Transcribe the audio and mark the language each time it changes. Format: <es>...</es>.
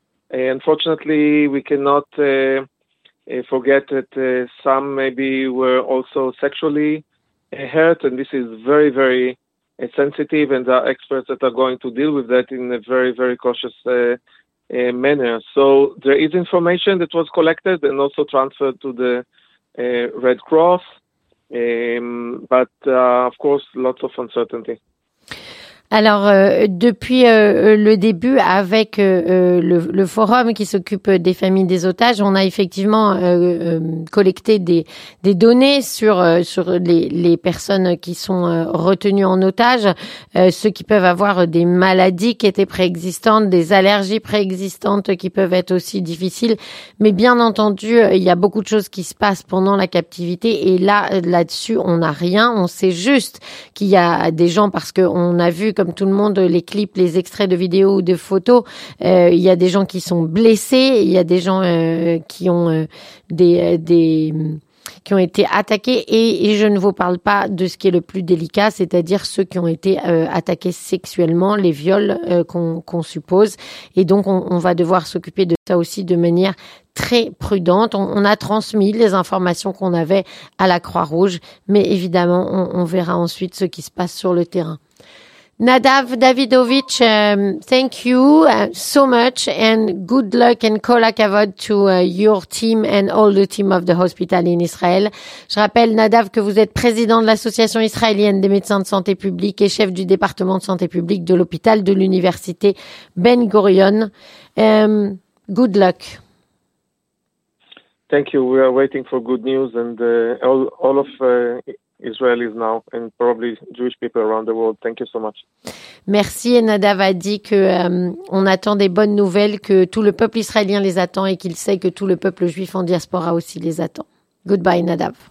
<en>Unfortunately, we cannot forget that some maybe were also sexually hurt, and this is very, very sensitive, and there are experts that are going to deal with that in a very, very cautious manner. So there is information that was collected and also transferred to the Red Cross, but of course lots of uncertainty.</en> <fr>Alors, depuis le début, avec le forum qui s'occupe des familles des otages, on a effectivement collecté des données sur les personnes qui sont retenues en otage, ceux qui peuvent avoir des maladies qui étaient préexistantes, des allergies préexistantes qui peuvent être aussi difficiles. Mais bien entendu, il y a beaucoup de choses qui se passent pendant la captivité. Et là-dessus, on n'a rien. On sait juste qu'il y a des gens, parce qu'on a vu comme tout le monde, les clips, les extraits de vidéos ou de photos, il y a des gens qui sont blessés, il y a des gens qui ont des qui ont été attaqués. Et je ne vous parle pas de ce qui est le plus délicat, c'est-à-dire ceux qui ont été attaqués sexuellement, les viols qu'on suppose. Et donc, on va devoir s'occuper de ça aussi de manière très prudente. On a transmis les informations qu'on avait à la Croix-Rouge, mais évidemment, on verra ensuite ce qui se passe sur le terrain.</fr> <en>Nadav Davidovich, thank you so much and good luck and</en> <he>kol hakavod</he> <en>to your team and all the team of the hospital in Israel.</en> <fr>Je rappelle, Nadav, que vous êtes président de l'Association israélienne des médecins de santé publique et chef du département de santé publique de l'hôpital de l'université Ben Gurion.</fr> <en>Good luck. Thank you. We are waiting for good news and all of Israelis now and probably Jewish people around the world. Thank you so much.</en> <fr>Merci. Et Nadav a dit que on attend des bonnes nouvelles, que tout le peuple israélien les attend et qu'il sait que tout le peuple juif en diaspora aussi les attend.</fr> <en>Goodbye, Nadav.</en>